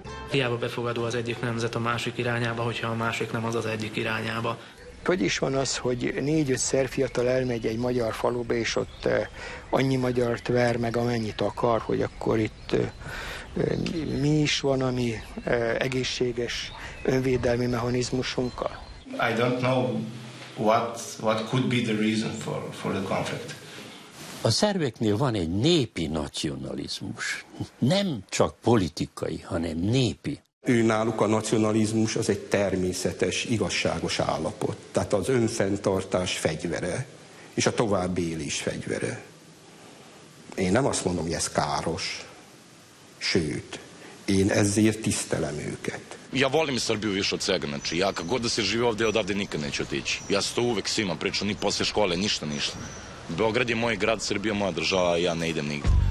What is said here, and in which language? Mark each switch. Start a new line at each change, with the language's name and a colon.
Hungarian: Hiába befogadó az egyik nemzet a másik irányába, hogyha a másik nem az az egyik irányába. Hogy is van az, hogy 4-5 szerb fiatal elmegy egy magyar faluba, és ott annyi magyart ver meg, amennyit akar, hogy akkor itt mi is van, ami egészséges önvédelmi mechanizmusunkkal?
English: I don't know what could be the reason for the conflict.
Hungarian: A szerbeknél van egy népi nacionalizmus. Nem csak politikai, hanem népi. Ő náluk a nacionalizmus az egy természetes, igazságos állapot. Tehát az önfenntartás fegyvere, és a továbbélés fegyvere. Én nem azt mondom, hogy ez káros. Sőt, én ezért tisztelem őket.
Serbian: Ja volim Srbiju više od svega, znači ja kako god da se živi ovdje, odavde nikad neću otići. Ja se to uvek svima pričam, ni posle škole, ništa, ništa. Beograd je moj grad, Srbija moja država, ja ne idem nigde.